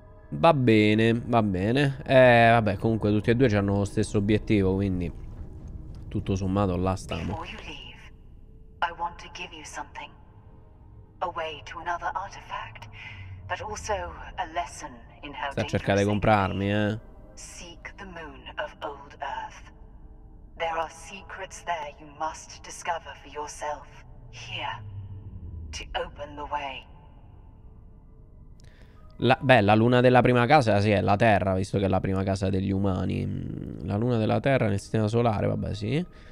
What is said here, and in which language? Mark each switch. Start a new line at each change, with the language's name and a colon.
Italian: Va bene, va bene. Vabbè, comunque tutti e due hanno lo stesso obiettivo, quindi tutto sommato là stiamo.
English: Before you leave, I want to give you something. A way to another artifact, but also a lesson in how to
Italian: sta cercare di comprarmi, eh.
English: Seek the moon of old earth. There are secrets there you must discover for yourself. Here to open the way.
Italian: La, beh, la luna della prima casa, sì, è la Terra, visto che è la prima casa degli umani. La luna della Terra nel sistema solare, vabbè, sì.